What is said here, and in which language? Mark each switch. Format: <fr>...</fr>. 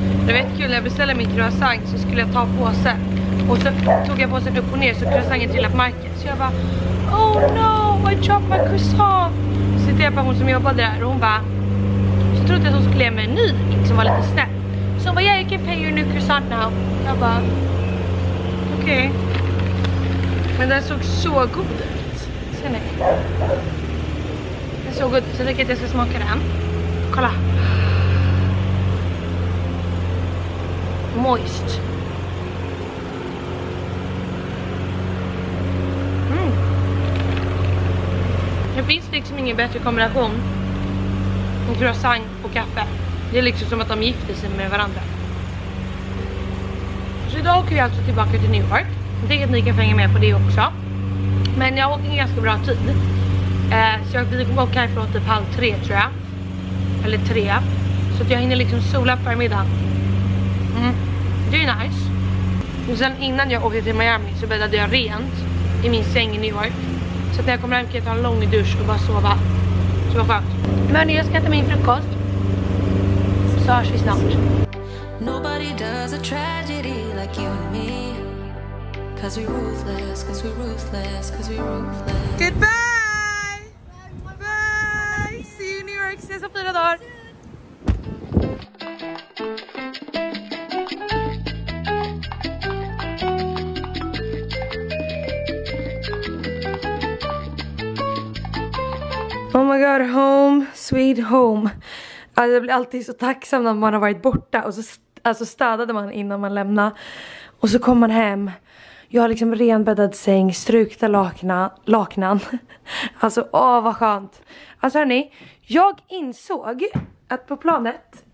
<sv>Det var jättekul, när jag beställde min croissant så skulle jag ta påsen. Och så tog jag påsen upp och ner så croissanten trillade på marken. Så jag bara,</sv> <en>oh no, I dropped my croissant.</en> <sv>Så tittade jag på hon som jobbade där och hon bara, så trodde jag att hon skulle ge mig en ny, som var lite snäll. Så hon bara,</sv> <en>yeah, you can pay your new croissant now.</en> <sv>Jag bara, okej. Okay. Men den såg så god ut. Ser ni? Den såg god ut, så jag tänker att jag ska smaka den. Kolla.</sv> <en>Moist.</en> <sv>Det finns liksom ingen bättre kombination än croissant och kaffe. Det är liksom som att de gifter sig med varandra. Så idag åker jag alltså tillbaka till New York. Jag tänker att ni kan hänga med på det också. Men jag åker en ganska bra tid. Så vi kommer åka härifrån typ 2:30 tror jag. Eller 3. Så att jag hinner liksom sola på förmiddagen. Det är nice. Och sen innan jag åkte till Miami så bäddade jag rent i min säng i New York. Så att när jag kommer hem kan jag ta en lång dusch och bara sova. Så var skönt. Men jag ska äta min frukost. Så hörs vi snart.</sv> <en>Nobody does a tragedy like you and me. Cause we ruthless, cause we ruthless, cause we ruthless. Goodbye! Bye! See you in New York,</en> <sv>ses om 4 dagar!</sv> <en>Oh my god, home, sweet home.</en> <sv>Alltså, jag blir alltid så tacksam när man har varit borta. Och så alltså städade man innan man lämnade. Och så kom man hem. Jag har liksom renbäddad säng, strukta laknan. Alltså, åh vad skönt. Alltså hörni, jag insåg att på planet...</sv>